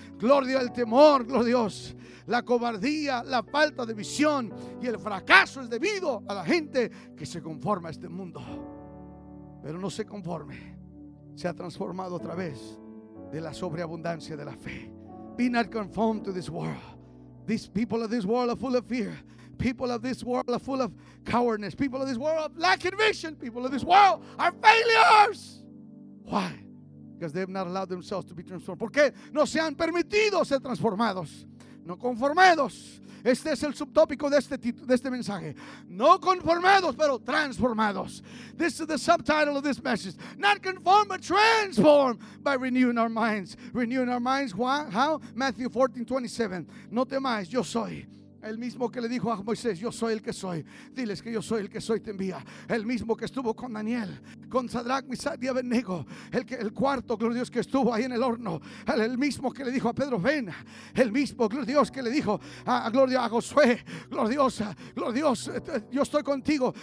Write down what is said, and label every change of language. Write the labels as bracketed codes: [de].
[es] Gloria al temor, gloria a Dios. La cobardía, la falta de visión y el fracaso es debido a la gente que se conforma a este mundo. Pero no se conforme. Se ha transformado a través de la sobreabundancia de la fe. [en] Be not conformed to this world. These people of this world are full of fear. People of this world are full of cowardness. People of this world are lacking vision. People of this world are failures. Why? Because they have not allowed themselves to be transformed. [es] ¿Por qué no se han permitido ser transformados? No conformados. Este es el subtópico de este mensaje. No conformados, pero transformados. [en] This is the subtitle of this message. Not conformed, but transformed by renewing our minds. Renewing our minds, why? How? Matthew 14:27. [es] No temáis, yo soy. El mismo que le dijo a Moisés, yo soy el que soy. Diles que yo soy el que soy, te envía. El mismo que estuvo con Daniel, con Sadrach, Misad y Abednego. El cuarto, gloria a Dios, que estuvo ahí en el horno. El mismo que le dijo a Pedro, ven. El mismo, gloria a Dios, que le dijo a gloria a Josué, gloria a Dios, yo estoy contigo.